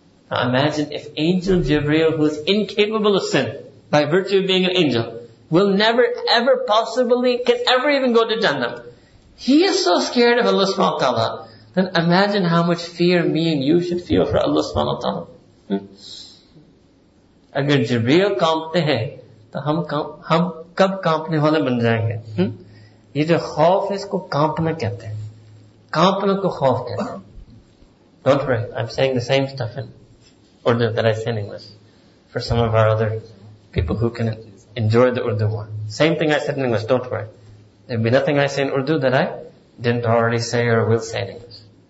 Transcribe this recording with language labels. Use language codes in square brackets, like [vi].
[en] Now imagine if angel Jibreel, who is incapable of sin, by virtue of being an angel, will never ever possibly, can ever even go to Jannah. He is so scared of Allah subhanahu wa ta'ala. Then imagine how much fear me and you should feel for Allah subhanahu wa ta'ala. [ur] اگر جبریل کانپتے ہیں، تو ہم کب کانپنے والے بن جائیں گے؟ یہ جو خوف ہے، اسکو کانپنا کہتے ہیں۔ کانپنے کو خوف کہتے ہیں۔ [en] Don't worry, I'm saying the same stuff in Urdu that I say in English. For some of our other people who can enjoy the Urdu more. Same thing I said in English, don't worry. There'd be nothing I say in Urdu that I didn't already say or will say in English.